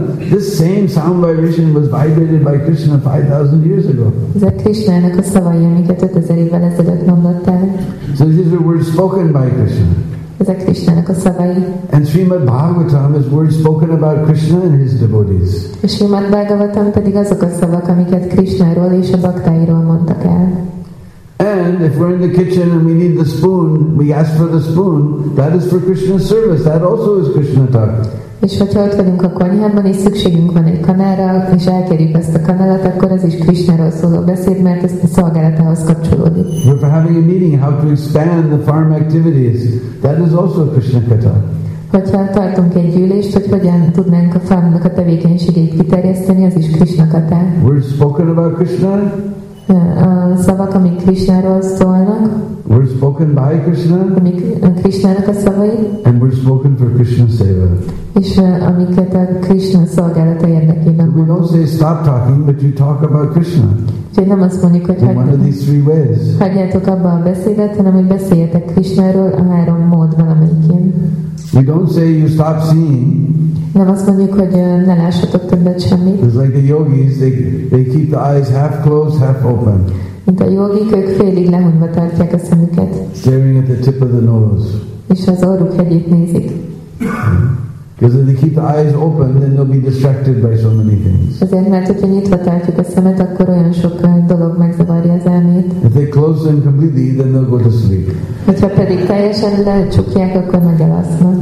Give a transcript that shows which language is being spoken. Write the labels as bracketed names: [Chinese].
[English] This same sound vibration was vibrated by Krishna 5,000 years ago. [Hungarian] Ez a Krishna-nak a szavai, amiket 5000 évvel ezelőtt mondott el. [English] So these are words spoken by Krishna. [Hungarian] Ez a Krishna-nak a szavai. [English] And Srimad Bhagavatam is words spoken about Krishna and his devotees. [Hungarian] A Srimad Bhagavatam pedig azok a szavak, amiket Krishnáról és a baktáiról mondtak el. [English] And if we're in the kitchen and we need the spoon, we ask for the spoon, that is for Krishna's service. That also is Krishna talk. [Hungarian] És hogyha ott vagyunk a konyhában, és szükségünk van egy kanálra, és elkerjük ezt a kanálat, akkor az is Krishnáról szóló beszéd, mert ez a szolgálatához kapcsolódik. [English] But for having a meeting, how to expand the farm activities, that is also Krishna Katha. [Hungarian] Hogyha tartunk egy gyűlést, hogy hogyan tudnánk a farmnak a tevékenységét kiterjeszteni, az is Krishna Katha. [English] We're spoken about Krishna. [Hungarian] Szavak, amik Krishnáról szólnak. [English] We're spoken by Krishna. [Hungarian] Amik Krishnának a szavai. [English] And we're spoken for Krishna's seva. [Hungarian] És amiket a Krishna szolgálata érdekében. [English] We don't say stop talking, but you talk about Krishna. [Hungarian] Csak nem azt mondjuk, hogy hagyjátok. [English] One of these three ways. [Hungarian] Hagyjátok abba a beszédet, hanem hogy beszéljetek Krishnáról a három mód valamelyikén. [English] We don't say you stop seeing. [Hungarian] Nem azt mondjuk, hogy ne lássatok többet semmit. [English] It's like the yogis, they keep the eyes half closed, half open. [Hungarian] Mint a yogik, ők félig lehúnyva tartják a szemüket. [English] Staring at the tip of the nose. [Hungarian] És az orruk hegyét nézik. [English] Because if they keep the eyes open, then they'll be distracted by so many things. [Hungarian] Azért, mert hogyha nyitva tartjuk a szemet, akkor olyan sok dolog megzavarja az elmét. [English] If they close them completely, then they'll go to sleep. [Hungarian] Hogyha pedig teljesen lecsukják, akkor megalasznak.